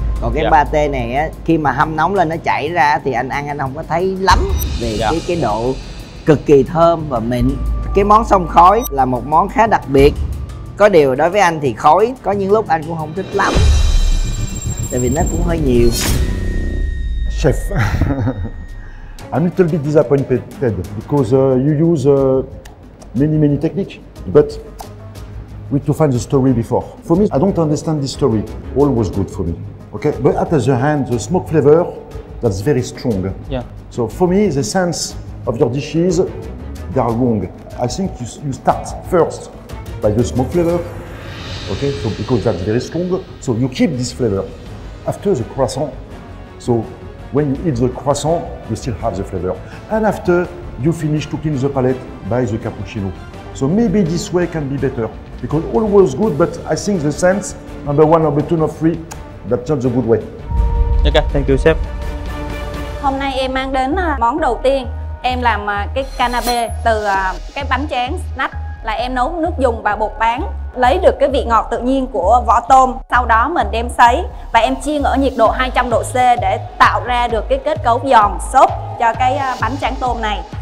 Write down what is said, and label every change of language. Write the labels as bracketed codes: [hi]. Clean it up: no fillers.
[vi] Còn cái pate này á, khi mà hâm nóng lên nó chảy ra thì anh không có thấy lắm về cái độ cực kỳ thơm và mịn. Cái món xông khói là một món khá đặc biệt. Có điều đối với anh thì khói có những lúc anh cũng không thích lắm, tại vì nó cũng hơi nhiều. [en] Chef, I'm a little bit disappointed because you use many techniques, but we need to find the story before. For me, I don't understand this story. All was good for me. Okay, but at the other hand, the smoke flavor, that's very strong. Yeah. So for me, the sense of your dishes, they are wrong. I think you start first by the smoke flavor. Okay, so because that's very strong, so you keep this flavor after the croissant. So when you eat the croissant, you still have the flavor. And after, you finish to clean the palate by the cappuccino. So maybe this way can be better. Because all was good, but I think the sense, number one, number two, number three, that's not the good way. Okay, thank you, chef. [vi] Hôm nay em mang đến món đầu tiên. Em làm cái canapé từ cái bánh tráng snack. Là em nấu nước dùng và bột bán, lấy được cái vị ngọt tự nhiên của vỏ tôm. Sau đó mình đem sấy và em chiên ở nhiệt độ 200 độ C để tạo ra được cái kết cấu giòn, xốp cho cái bánh tráng tôm này.